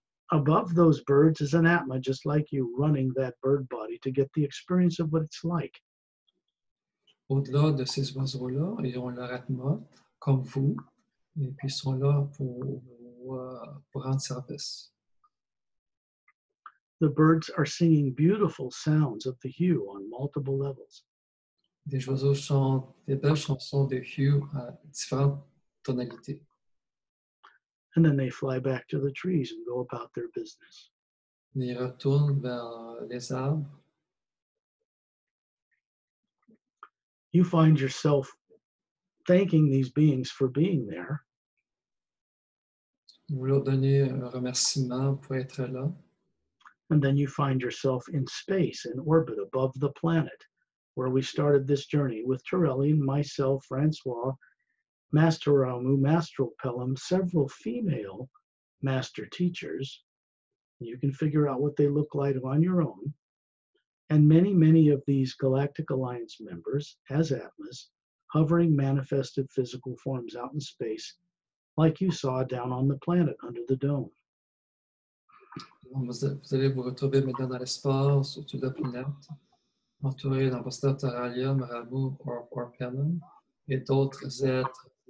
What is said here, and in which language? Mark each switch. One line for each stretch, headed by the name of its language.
English: Above those birds is an Atma, just like you, running that bird body to get the experience of what it's like.
French: Au-delà de ces oiseaux-là, ils ont leur Atma, comme vous, et puis ils sont là pour rendre service.
English: The birds are singing beautiful sounds of the hue on multiple levels.
French: Les oiseaux chantent des belles chansons de hue à différentes tonalités.
English: And then they fly back to the trees and go about their business.
French: Ils retournent vers les arbres.
English: You find yourself thanking these beings for being there.
French: Vous leur donnez un remerciement pour être là.
English: And then you find yourself in space, in orbit, above the planet, where we started this journey with Terellian, myself, Francois, Master Ramu, Master Pelham, several female master teachers. You can figure out what they look like on your own. And many, many of these Galactic Alliance members, as Atmas, hovering manifested physical forms out in space, like you saw down on the planet under the dome.
French: Vous allez vous retrouver maintenant dans l'espace, au-dessus de la planète, entouré d'ambassadeurs Terellian, Ramu, or Pelham, et d'autres êtres.